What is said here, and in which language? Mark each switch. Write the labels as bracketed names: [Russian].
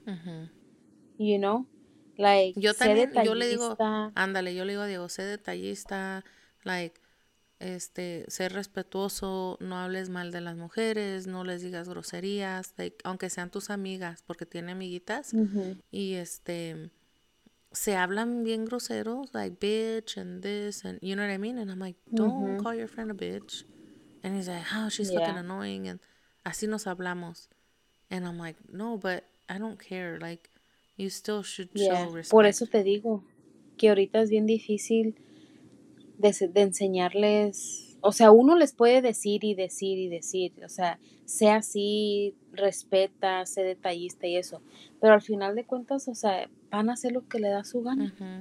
[English] Uh-huh. You know, like, [Spanish] yo también, sé detallista. Yo le digo, ándale, yo le digo a Diego, sé detallista, like, este, ser respetuoso, no hables mal de las mujeres, no les digas groserías, like, aunque sean tus amigas, porque tiene amiguitas, uh-huh. Y este, se hablan bien groseros, [English] like, bitch, and this, and, you know what I mean, and I'm like, don't uh-huh. call your friend a bitch, and he's like, oh, she's yeah. fucking annoying, and [Spanish] así nos hablamos, [English] and I'm like, no, but I don't care, like, you still should yeah. show respect. [Spanish] Por eso te digo, que ahorita es bien difícil de enseñarles, o sea, uno les puede decir y decir y decir, o sea, sea así, respeta, sé detallista y eso, pero al final de cuentas, o sea, van a hacer lo que le da su gana.